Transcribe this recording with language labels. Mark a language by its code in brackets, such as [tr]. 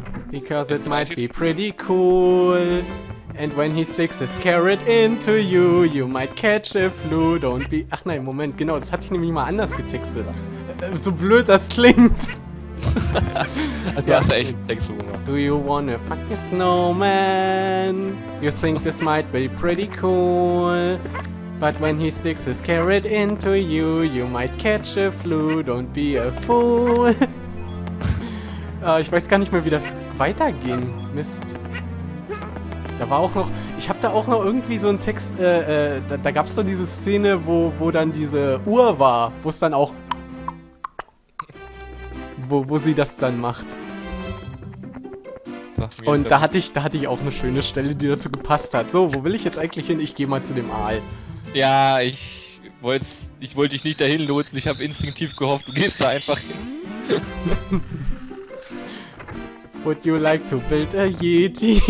[en] Because it might be pretty cool. And when he sticks his carrot into you, you might catch a flu. Don't be. [de] Ach nein, Moment, genau, das hatte ich nämlich mal anders getextet. So blöd das klingt. Also ja, hast du echt Text gemacht. [en] Do you wanna fuck a snowman? You think this might be pretty cool. But when he sticks his carrot into you, you might catch a flu. Don't be a fool. [de] ich weiß gar nicht mehr, wie das weiterging. Mist. Da war auch noch. Ich hab da auch noch irgendwie so einen Text. Da gab's so diese Szene, wo dann diese Uhr war, wo es dann auch. Wo sie das dann macht. Und da hatte ich auch eine schöne Stelle, die dazu gepasst hat. So, wo will ich jetzt eigentlich hin? Ich gehe mal zu dem Aal. Ja, ich wollte dich nicht dahin lotsen. Ich habe instinktiv gehofft, du gehst da einfach hin. [en] Would you like to build a Yeti?